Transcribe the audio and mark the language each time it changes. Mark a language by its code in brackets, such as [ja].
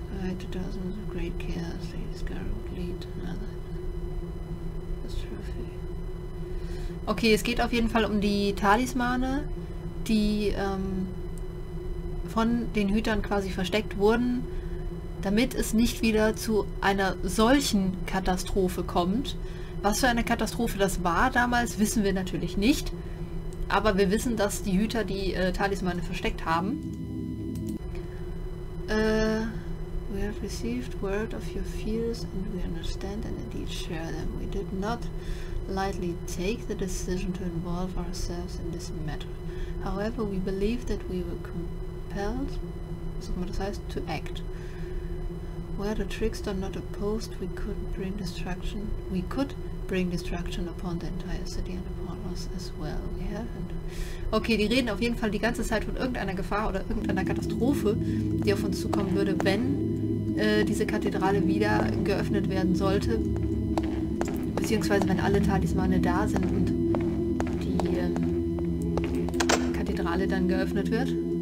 [en] I to dozens of great care, the scarab lead another. [de] Okay, es geht auf jeden Fall um die Talismane, die von den Hütern quasi versteckt wurden, damit es nicht wieder zu einer solchen Katastrophe kommt. Was für eine Katastrophe das war damals, wissen wir natürlich nicht. Aber wir wissen, dass die Hüter die Talismane versteckt haben. [en] We have received word of your fears and we understand and indeed share them. We did not lightly take the decision to involve ourselves in this matter. However, we believe that we were compelled, [de] was auch immer das heißt, [en] to act. Were the trickster not opposed, we could bring destruction. We could bring destruction upon the entire city and upon us as well. We haven't. [de] Okay, die reden auf jeden Fall die ganze Zeit von irgendeiner Gefahr oder irgendeiner Katastrophe, die auf uns zukommen würde, wenn diese Kathedrale wieder geöffnet werden sollte. Beziehungsweise wenn alle Talismane da sind und die Kathedrale dann geöffnet wird.